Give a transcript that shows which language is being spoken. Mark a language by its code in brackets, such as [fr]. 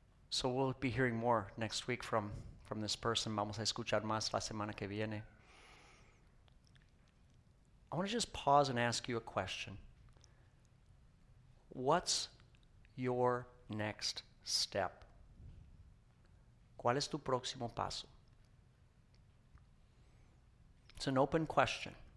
[en] So we'll be hearing more next week from this person. [es] Vamos a escuchar más la semana que viene. [en] I want to just pause and ask you a question. What's your next step? [es] ¿Cuál es tu próximo paso? [en] It's an open question.